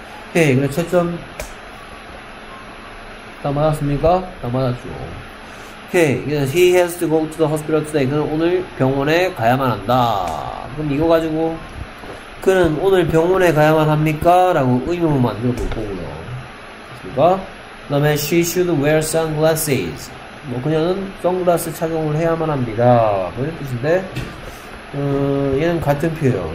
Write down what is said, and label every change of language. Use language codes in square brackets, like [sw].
[ko] 오케이, 그래, 채점 다 맞았습니까? 다 맞았죠. [en] 오케이, he has to go to the hospital today. [ko] 그는 오늘 병원에 가야만 한다. 그럼 이거 가지고 그는 오늘 병원에 가야만 합니까? 라고 의문을 만들어 볼 거고요. 됐습니까? 그 다음에 [en] she should wear sunglasses. [ko] 뭐 그녀는 선글라스 착용을 해야만 합니다. 그런 뜻인데 얘는 같은 표현.